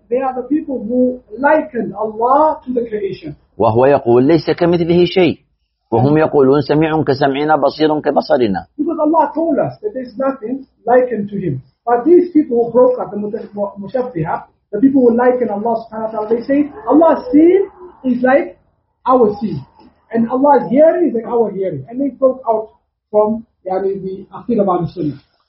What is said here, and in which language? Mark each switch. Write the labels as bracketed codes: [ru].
[en] They are the people who liken Allah to the creation. [ar] وهو يقول ليس كمثله شيء. وهم يقولون سميع كسمعنا بصير كبصرنا. [en] Because Allah told us that there is nothing likened to Him. But these people who broke up the mutashabbiha, the people who liken Allah subhanahu wa ta'ala, they say Allah's seeing is like our seeing, and Allah's hearing is like our hearing, and they broke out from يعني the aqidah of Sunnah.